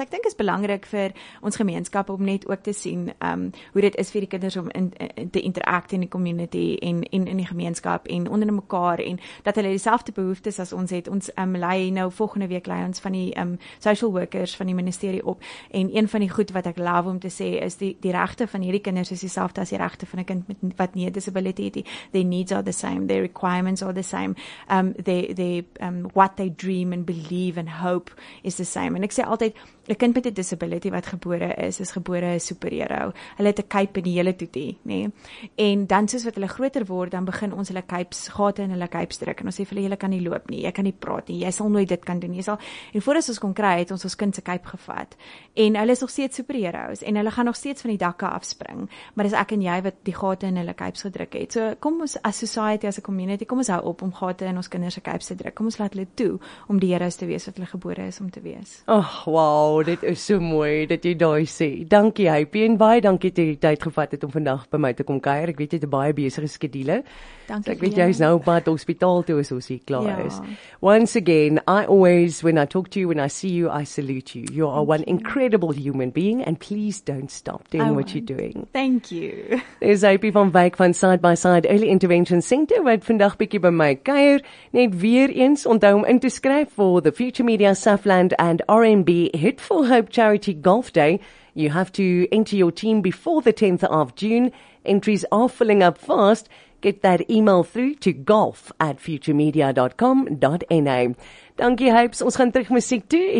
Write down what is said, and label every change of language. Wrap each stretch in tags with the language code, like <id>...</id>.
<af>Ek dink is belangrik vir ons gemeenskap om net ook te sien hoe dit is vir die kinders om in te interact in die community en in die gemeenskap en onder mekaar en dat hulle dieselfde behoeftes as ons het. Ons lei nou volgende week lei ons van die social workers van die ministerie op en een van die goed wat ek love om te sê is die regte van hierdie kinders is dieselfde as die regte van 'n kind met wat nie disability het nie.</af> <en>Their needs are the same. Their requirements are the same. They what they dream and believe and hope is the same.</en> <af>And ek sê altyd, 'n kind met 'n disability wat gebore is, is gebore 'n superhero. Hulle het 'n cape in die hele toetie, nê? En dan soos wat hulle groter word, dan begin ons hulle capes gate in hulle capes druk en ons sê vir hulle, jy kan nie loop nie, jy kan nie praat nie, jy sal nooit dit kan doen nie. En voordat ons kon kry, het ons ons kind se cape gevat. En hulle is nog steeds superheroes en hulle gaan nog steeds van die dakke afspring, maar dis ek en jy wat die gate in hulle capes gedruk het. So kom ons as society, as 'n community, kom ons hou op om gate in ons kinders se capes te druk. Kom ons laat hulle toe om die heroes te wees wat hulle gebore is om te wees. Ag, oh, wow. Oh, dit is so mooi dat jy daai sê. Dankie Hypie en baie dankie dat jy die tyd gevat het om vandag by my te kom kuier. Ek weet jy het 'n baie besige skedule. Dankie. So ek weet jy is nou op pad hospitaal toe as ons hier klaar is.</af> <en>Once again, I always, when I talk to you, when I see you, I salute you. You are one incredible human being and please don't stop doing what you're doing. Thank you.</en> <af>Dis Hypie van Wyk van Side by Side Early Intervention Center wat vandag bietjie by my kuier. Net weer eens onthou om in te skryf vir the Future Media Southland and RMB Hit for Hope Charity Golf Day.</af> <en>You have to enter your team before the 10th of June. Entries are filling up fast. Get that email through to golf@futuremedia.com.na.</en> <af>Dankie Hopes, ons gaan terug musiek toe.</af>